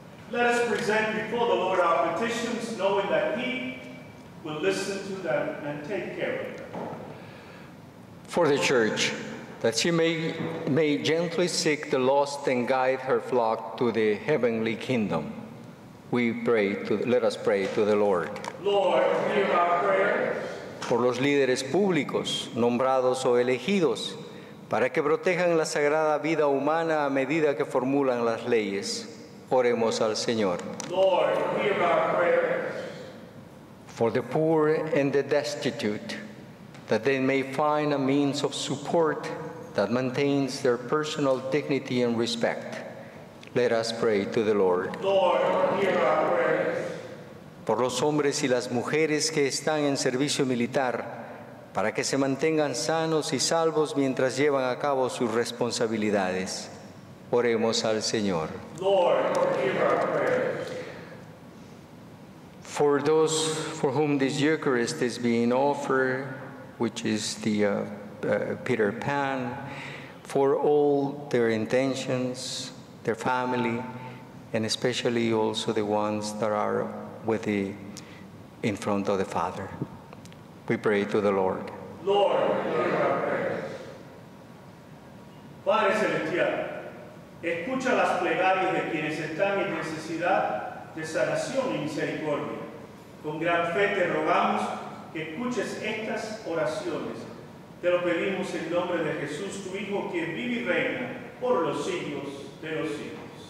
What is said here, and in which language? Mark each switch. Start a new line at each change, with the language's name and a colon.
English: Let us present before the Lord our petitions, knowing that he will listen to them and take care of them. For the church, that she may gently seek the lost and guide her flock to the heavenly kingdom, let us pray to the Lord. Lord, hear our prayers.
Spanish: Por los líderes públicos, nombrados o elegidos, para que protejan la sagrada vida humana a medida que formulan las leyes, oremos al Señor.
English: Lord, hear our prayers. For the poor and the destitute, that they may find a means of support that maintains their personal dignity and respect, let us pray to the Lord. Lord, hear our prayers.
Spanish: Por los hombres y las mujeres que están en servicio militar, para que se mantengan sanos y salvos mientras llevan a cabo sus responsabilidades, oremos al Señor.
English: Lord, hear our prayers. For those for whom this Eucharist is being offered, which is the Peter Pan, for all their intentions, their family, and especially also the ones that are with the in front of the Father, we pray to the Lord. Lord, hear our prayers.
Spanish: Padre celestial, escucha las plegarias de quienes están en necesidad de sanación y misericordia. Con gran fe te rogamos que escuches estas oraciones. Te lo pedimos en nombre de Jesús, tu Hijo, quien vive y reina por los siglos de los siglos.